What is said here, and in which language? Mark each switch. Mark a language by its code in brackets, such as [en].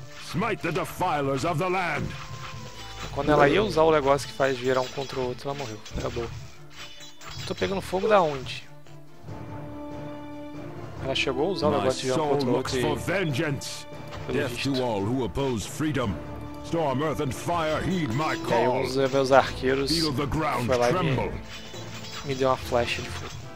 [en] Smite the defilers of the land. [pt] Quando ela ia usar o negócio que faz virar um contra o outro, ela morreu. Acabou. Tô pegando fogo da onde? Ela chegou a usar o negócio de virar um contra o outro. [en] For vengeance. Death to all who oppose freedom. Storm, earth and fire, heed my call. [pt] Aí os meus arqueiros foi lá e me deu uma flecha de fogo.